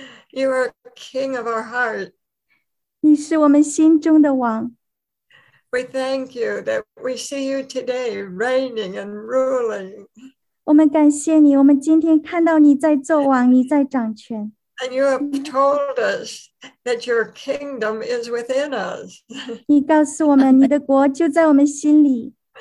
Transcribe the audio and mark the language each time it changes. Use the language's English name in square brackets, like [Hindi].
[English] You are king of our heart. [Chinese] 你是我们心中的王。 [English] We thank you that we see you today reigning and ruling. [Chinese] 我们感谢你，我们今天看到你在做王，你在掌权。 [English] And you have told us that your kingdom is within us. [Chinese] 你告诉我们，你的国就在我们心里。